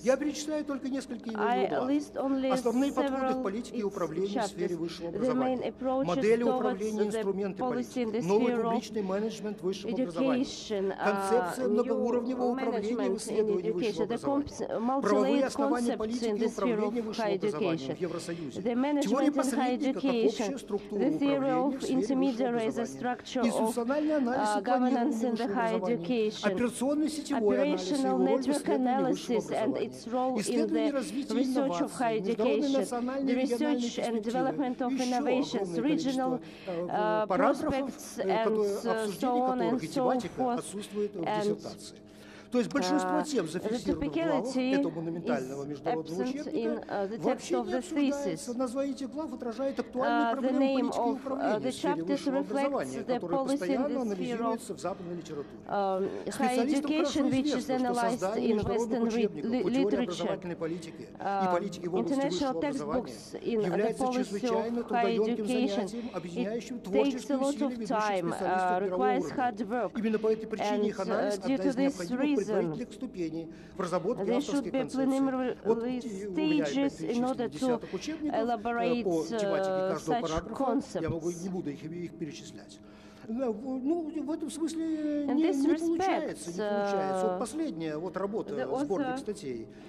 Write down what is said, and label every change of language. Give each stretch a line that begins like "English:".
Russian: Я перечисляю только несколько его глав. Основные подходы к политике и управлению в сфере высшего образования. Модели управления, инструменты политики. Новый публичный менеджмент высшего образования. Концепция многоуровневого управления в исследовании высшего образования. Правовые основания политики
English: sphere of higher education. The management in higher education, the theory of intermediary as a structure of governance in the higher education, operational network analysis and its role in the research of higher education, the research and development of innovations, regional prospects and so on and so forth. And
Russian: то есть большинство тем, зафиксированных глав, этого моментального международного учебника, вообще не обсуждается. Название этих глав отражает актуальные проблемы политических которые постоянно
English: There should be preliminary stages in order to elaborate such concepts.
Russian: Ну, в этом смысле не получается. Вот последняя вот работа сборных статей.